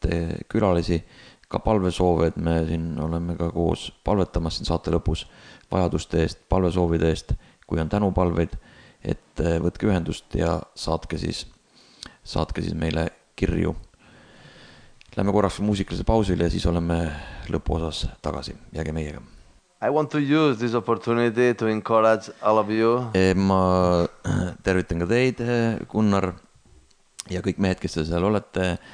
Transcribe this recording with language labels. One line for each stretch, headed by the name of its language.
Estonian: Külalisi ka palvesoove, et me siin oleme ka koos palvetamas siin saate lõpus vajaduste eest, palvesoovide eest, kui on tänupalveid, et võtke ühendust ja saatke siis meile kirju. Läheme korraks muusikalise pausile ja siis oleme lõpuosas tagasi. Jääge meiega.
English: I want to use this opportunity to encourage all of you.
Estonian: Ma tervitan ka teid, Gunnar, ja kõik mehed, kes te seal olete.